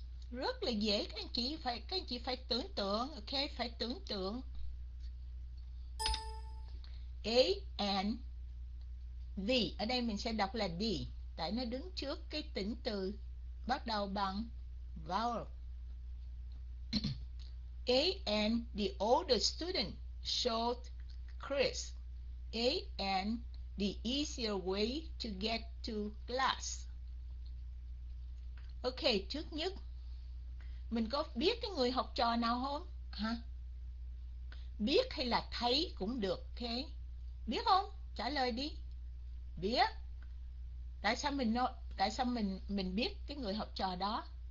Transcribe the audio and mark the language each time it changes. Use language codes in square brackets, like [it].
[vi] Rất là dễ, các anh chị phải tưởng tượng. Ok, phải tưởng tượng. A and the. Ở đây mình sẽ đọc là the, tại nó đứng trước cái tỉnh từ bắt đầu bằng vowel. [en] A and the older student showed Chris A and the easier way to get to class. [vi] Ok, trước nhất mình có biết cái người học trò nào không? Hả? Biết hay là thấy cũng được. Ok. Biết không? Trả lời đi. Biết. Tại sao mình biết cái người học trò đó?